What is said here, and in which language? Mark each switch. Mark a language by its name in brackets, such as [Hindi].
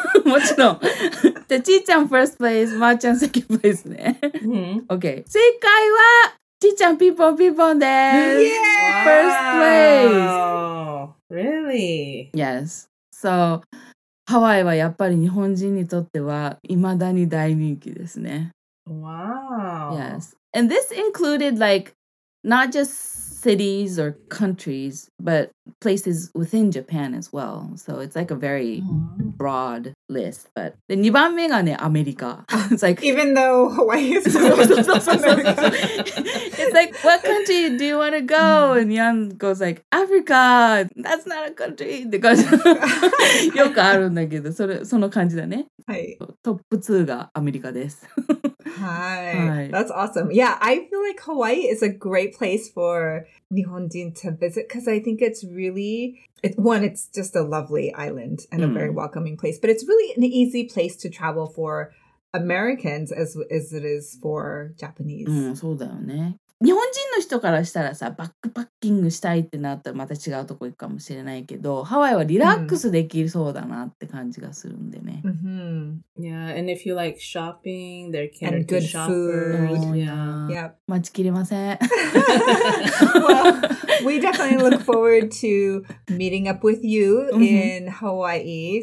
[Japanese] もちろん。じゃあ、ちーちゃん [English] first place、 [Japanese] まーちゃん [English] second place [Japanese] ね。Okay. 正解は、ちーちゃんピンポンピンポンです。 [English] Yeah! First place! Really? Yes. So... [Japanese] ハワイはやっぱり日本人にとっては未だに大人気ですね。 [English] Wow. Yes. And this included like not just cities or countries, but places within Japan as well. So it's like a very broad list. But [Japanese] で2番目がね、アメリカ。 [English] It's like, even though Hawaii is so America. It's like, what country do you want to go? And Yan goes like, Africa! That's not a country! [Japanese] って感じ。よくあるんだけど、その感じだね。はい。トップ2がアメリカです。 [English] Hi. That's awesome. Yeah, I feel like Hawaii is a great place for Nihonjin to visit because I think it's really, it's just a lovely island and a very welcoming place, but it's really an easy place to travel for Americans as it is for Japanese. [Japanese] そうだよね。日本人の人からしたらさ、バックパッキングしたいってなったらまた違うとこ行くかもしれないけど、ハワイはリラックスできそうだなって感じがするんでね。 [English] Yeah, and if you like shopping, they're candy shoppers. And good food. [Japanese] Yeah. 待ちきれません。 [English] Well, we definitely look forward to meeting up with you in Hawaii.